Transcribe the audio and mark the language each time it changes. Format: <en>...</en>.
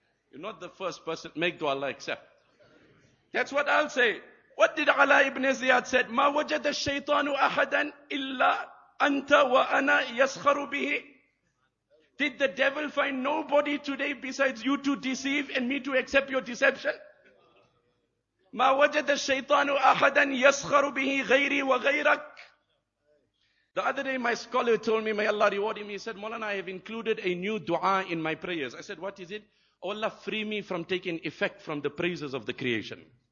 <en>You're not the first person. Make dua Allah accept. That's what I'll say. What did Ala ibn Ziyad said?</en> <ar>مَا وَجَدَ الشَّيْطَانُ أَحَدًا إِلَّا أَنْتَ وَأَنَا يَسْخَرُ بِهِ.</ar> <en>Did the devil find nobody today besides you to deceive and me to accept your deception?</en> <ar>ما وجد الشيطان احدا يسخر به غيري وغيرك.</ar> <en>The other day my scholar told me, may Allah reward him, he said, Maulana, I have included a new dua in my prayers. I said, what is it? Oh Allah, free me from taking effect from the praises of the creation.</en>